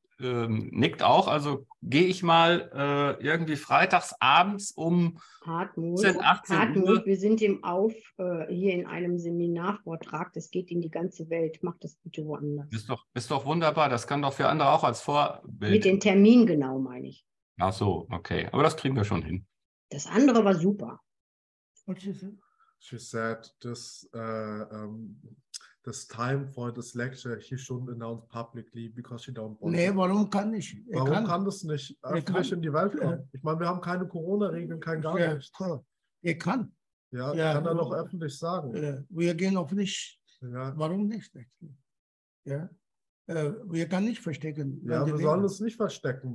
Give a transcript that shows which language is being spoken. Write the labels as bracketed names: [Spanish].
[German] nickt auch, also gehe ich mal irgendwie freitags abends um 18 Uhr. Wir sind hier in einem Seminarvortrag, das geht in die ganze Welt, mach das bitte woanders. Ist doch wunderbar, das kann doch für andere auch als Vorbild. Mit dem Termin genau, meine ich. Ach so, okay, aber das kriegen wir schon hin. Das andere war super. [English] She said, this time for this lecture, he shouldn't announce publicly because she don't [German] want. Nee, warum kann ich? Warum kann das nicht öffentlich in die Welt kommen? Ich meine, wir haben keine Corona-Regeln, kein gar nichts. Er kann. Ja, ja, kann er noch öffentlich sagen. Wir gehen auf nicht. Ja. Warum nicht? Ja. Wir können nicht verstecken. Ja, wir sollen uns nicht verstecken.